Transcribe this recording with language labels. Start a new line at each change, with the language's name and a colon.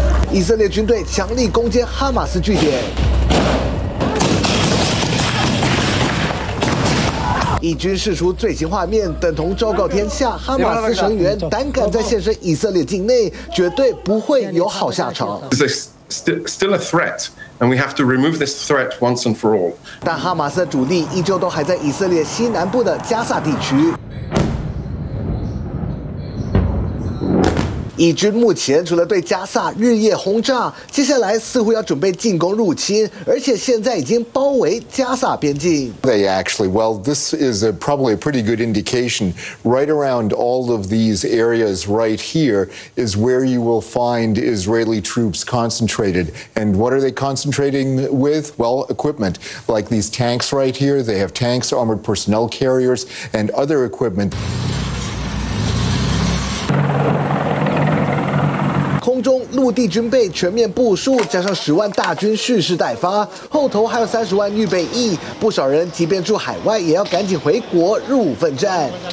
Chinese: 以色列军队强力攻坚哈马斯据点，以军释出最新画面，等同昭告天下，哈马斯成员胆敢再现身以色列境内，绝对不会有好下场。
English: Still a threat, and we have to remove this threat once and for all.
Chinese: 但哈马斯的主力依旧都还在以色列西南部的加萨地区。以军目前除了对加萨日夜轰炸，接下来似乎要准备进攻入侵，而且现在已经包围加萨边境。
English: They actually, well, this is a probably a pretty good indication. Right around all of these areas right here is where you will find Israeli troops concentrated. And what are they concentrating with? Well, equipment like these tanks right here. They have tanks, armored personnel carriers, and other equipment.
Chinese: 空中陆地军备全面部署，加上十万大军蓄势待发，后头还有三十万预备役，不少人即便住海外也要赶紧回国入伍奋战。